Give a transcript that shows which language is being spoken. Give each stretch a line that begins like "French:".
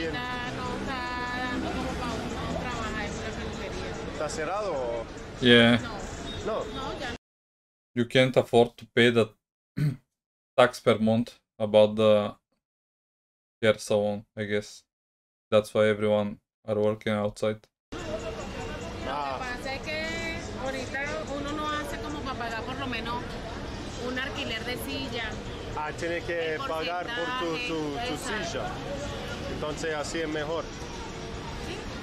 Spanish: No está dando como para uno trabajar en una barbería. ¿Está cerrado?
English: Yeah.
Spanish: No. No. No, ya.
English: You can't afford to pay the tax per month about the hair salon, I guess. That's why everyone are working outside.
Spanish: Lo que pasa es que ahorita uno no hace como para pagar por lo menos un alquiler de silla. Ah, tiene que pagar por tu silla. Entonces así es mejor. ¿Sí?